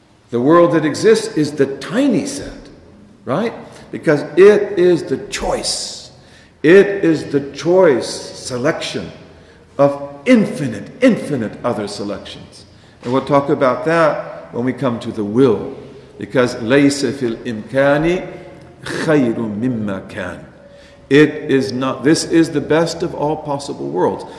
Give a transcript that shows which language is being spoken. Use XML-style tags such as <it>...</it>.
<en>The world that exists is the tiny set, right? Because it is the choice. It is the choice selection of infinite, infinite other selections. And we'll talk about that when we come to the will. Because</en> <ar>لَيْسَ فِي الْإِمْكَانِ خَيْرٌ مِمَّا كَانٍ.</ar> <en>It is not, this is the best of all possible worlds.</en>